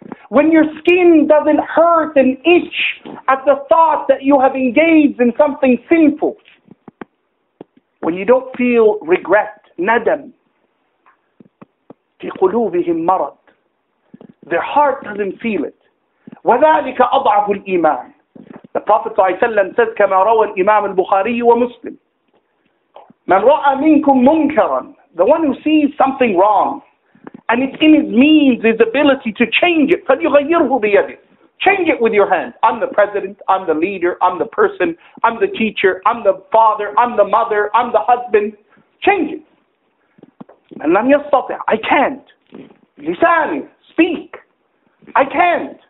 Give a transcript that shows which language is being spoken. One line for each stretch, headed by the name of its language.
English: When your skin doesn't hurt and itch at the thought that you have engaged in something sinful. When you don't feel regret, nadam.
Arabic: في قلوبهم مرض.
English: Their heart doesn't feel it.
Arabic: وَذَلِكَ أَضْعَفُ الْإِيمَانِ.
English: The Prophet ﷺ said,
Arabic: كَمَا رَوَى الْإِمَامُ الْبُخَارِيُّ وَمُسْلِمُ مَنْ رَأَى مِنْكُمْ مُنْكَرًا.
English: The one who sees something wrong, and it's in his means, his ability to change it.
Arabic: فَلْيُغَيِّرْهُ بِيَدِهِ.
English: Change it with your hand. I'm the president, I'm the leader, I'm the person, I'm the teacher, I'm the father, I'm the mother, I'm the husband. Change it.
Arabic: مَنْ لَمْ يَسْتَطِعْ.
English: I can't.
Arabic: لِسَانِ.
English: Speak. I can't.